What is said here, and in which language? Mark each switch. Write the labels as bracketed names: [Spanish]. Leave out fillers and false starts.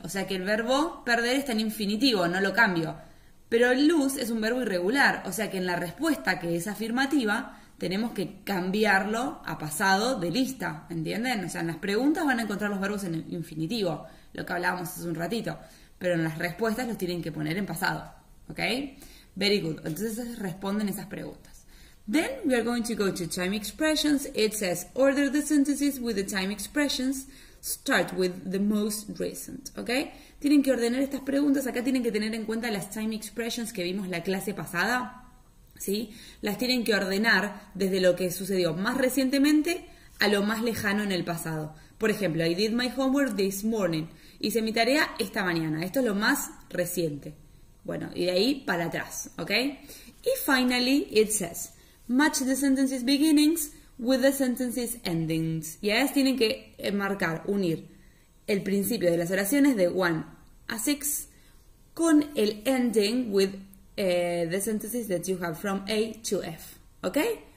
[Spanish] O sea que el verbo perder está en infinitivo, no lo cambio. Pero lose es un verbo irregular. O sea que en la respuesta, que es afirmativa, tenemos que cambiarlo a pasado de lista. ¿Entienden? O sea, en las preguntas van a encontrar los verbos en infinitivo, lo que hablábamos hace un ratito. Pero en las respuestas los tienen que poner en pasado. ¿Ok? [English] Very good. [Spanish] Entonces responden esas preguntas. [English] Then we are going to go to time expressions. It says, order the sentences with the time expressions Start with the most recent, ¿ok? [Spanish] Tienen que ordenar estas preguntas. Acá tienen que tener en cuenta las time expressions que vimos la clase pasada, ¿sí? Las tienen que ordenar desde lo que sucedió más recientemente a lo más lejano en el pasado. Por ejemplo, [English] I did my homework this morning. [Spanish] Hice mi tarea esta mañana. Esto es lo más reciente. Bueno, y de ahí para atrás, ¿ok? [English] Y finally, it says, match the sentences beginnings with the sentences endings. [Spanish] Y ahí tienen que marcar, unir el principio de las oraciones de 1 a 6 con el ending [English] with the sentences that you have from A to F. [Spanish] Okay?